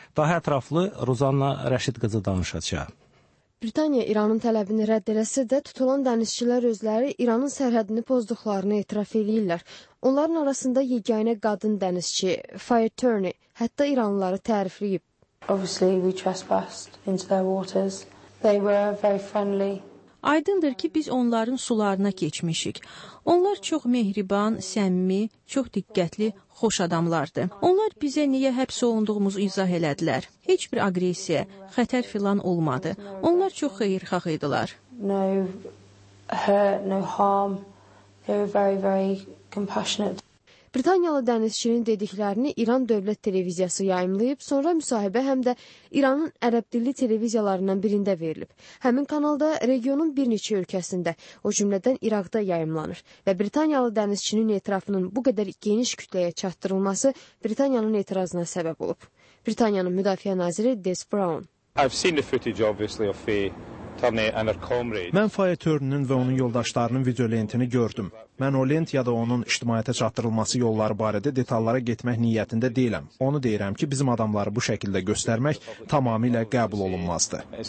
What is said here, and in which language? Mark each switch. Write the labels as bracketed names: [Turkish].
[Azerbaijani] Daha ətraflı Ruzanna Rəşid qızı danışacaq. Britaniya İranın tələbini rədd eləsə də tutulan dənizçilər özləri İranın sərhədini pozduqlarını etiraf edirlər. Onların arasında yeganə qadın dənizçi, Fire Turney, hətta İranlıları tərifləyib. [English] Obviously we trespassed into their waters. They were very friendly. [Azerbaijani] Aydındır ki, biz onların sularına keçmişik. Onlar çox mehriban, səmimi, çox diqqətli, xoş adamlardı. Onlar bizə niyə həbs olunduğumuzu izah elədilər. Heç bir aqressiya, xətər filan olmadı. Onlar çox xeyirxah idilər. [English] No hurt, no harm. They were very, very compassionate. [Azerbaijani] Britaniyalı dənizçinin dediklərini İran Dövlət Televiziyası yayımlayıb, sonra müsahibə həm də İranın ərəb dilli televiziyalarından birində verilib. Həmin kanalda regionun bir neçə ölkəsində, o cümlədən İraqda yayımlanır və Britaniyalı dənizçinin etirafının bu qədər geniş kütləyə çatdırılması Britaniyanın etirazına səbəb olub. Britaniyanın müdafiə naziri Des Brown. [English] I've seen the footage obviously of Turney and her comrades. [Azerbaijani] Mən Fire Turney'nin və onun yoldaşlarının videolentini gördüm. Mən o lent ya da onun ictimaiyyətə çatdırılması yolları barədə detallara getmək niyyətində deyiləm. Onu deyirəm ki, bizim adamları bu şəkildə göstərmək tamamilə qəbul olunmazdır.